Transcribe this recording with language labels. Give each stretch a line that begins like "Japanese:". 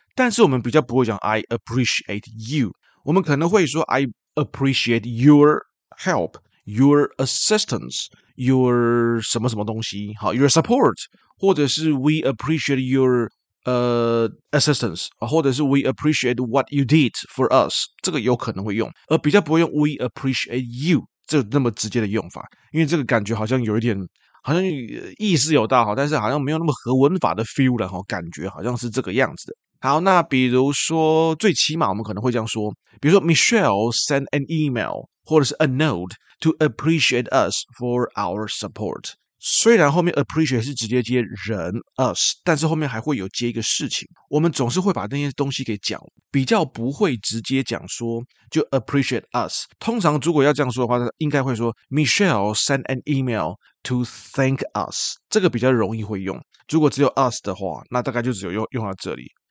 Chinese: 但是我们比较不会讲
English: I appreciate you，
Chinese: 我们可能会说
English: I appreciate your help，
Chinese: your assistance， your 什么什么东西，好， your support， 或者是
English: we appreciate yourassistance，
Chinese: 或者是
English: we appreciate what you did for us，
Chinese: 这个有可能会用，而比较不会用
English: we appreciate you
Chinese: 这那么直接的用法，因为这个感觉好像有一点，好像意思有到，但是好像没有那么合文法的 feel 了，感觉好像是这个样子的。好，那比如说最起码我们可能会这样说，比如说
English: Michelle sent an email 或者是 a note to appreciate us for our support。
Chinese: 虽然后面 appreciate 是直接接人 us， 但是后面还会有接一个事情，我们总是会把那些东西给讲，比较不会直接讲说就 appreciate us， 通常如果要这样说的话应该会说
English: Michelle sent an email to thank us，
Chinese: 这个比较容易会用，如果只有 us 的话，那大概就只有用到这里。